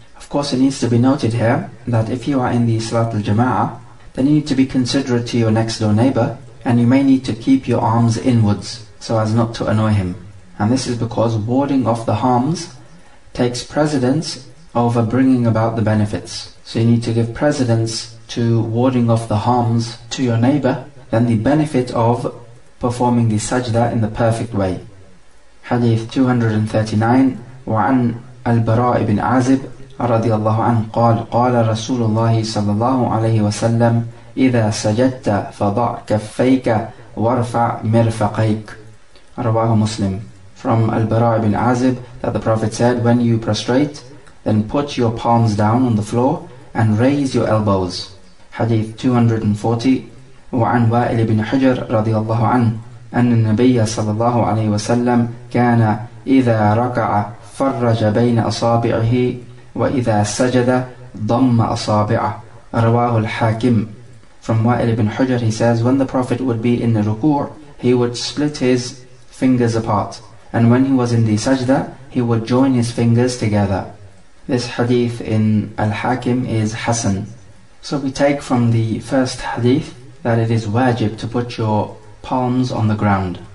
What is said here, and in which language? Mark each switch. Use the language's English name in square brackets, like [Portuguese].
[English] Of course, it needs to be noted here that if you are in the Salat al-Jama'ah, then you need to be considerate to your next door neighbor, and you may need to keep your arms inwards so as not to annoy him. And this is because warding off the harms takes precedence over bringing about the benefits. So you need to give precedence to warding off the harms to your neighbor than the benefit of performing the sajda in the perfect way. Hadith 239, [Arabic] وعن البراء بن عازب رضي الله عنه قال قال رسول الله صلى الله عليه وسلم إذا سجدت فضع كفيك وارفع مرفقيك. رواه مسلم. [English] From Al-Bara' ibn Azib, that the Prophet said, when you prostrate, then put your palms down on the floor and raise your elbows. Hadith 240. [Arabic] وعن وائل بن حجر رضي الله عنه أن النبي صلى الله عليه وسلم كان إذا ركع فرج بين أصابعه وإذا سجد ضم أصابعه. رواه الحاكم. [English] From وائل بن حجر, he says, when the Prophet would be in the ruku', he would split his fingers apart. And when he was in the sajda, he would join his fingers together. This hadith in Al-Hakim is Hasan. So we take from the first hadith that it is wajib to put your palms on the ground.